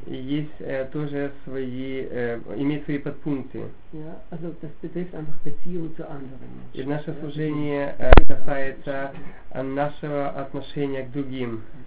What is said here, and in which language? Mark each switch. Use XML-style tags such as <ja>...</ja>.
<ru>Есть тоже свои имеет свои подпункты.</ru> <de>Ja, also das betrifft einfach Beziehung zu anderen Menschen.</de> <ru>И наше служение касается нашего отношения к другим.</ru>